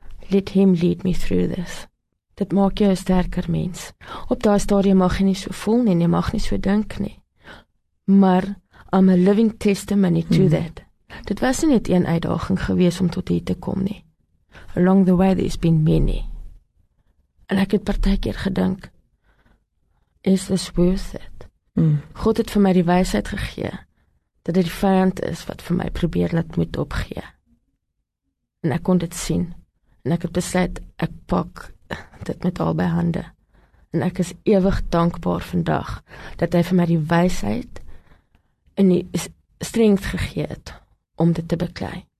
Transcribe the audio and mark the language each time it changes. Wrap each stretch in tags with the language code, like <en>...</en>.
<en>Let him lead me through this.</en> <af>Dit maak jou 'n sterker mens. Op daai stadium mag jy nie so voel nie, jy mag nie so dink nie.</af> <en>Maar I'm a living testimony to that.</en> <af>Dit was nie net een uitdaging gewees om tot hier te kom nie.</af> <en>Along the way there's been many.</en> <af>En ek het partykeer gedink,</af> <en>is this worth it?</en> <af>God het vir my die wysheid gegee, dat dit die vyand is wat vir my probeer laat moed opgee. En ek kon dit sien, en ek het besluit, ek pak dit met albei hande. En ek is ewig dankbaar vandag, dat hy vir my die wysheid en die strength gegee het om dit te beklei.</af>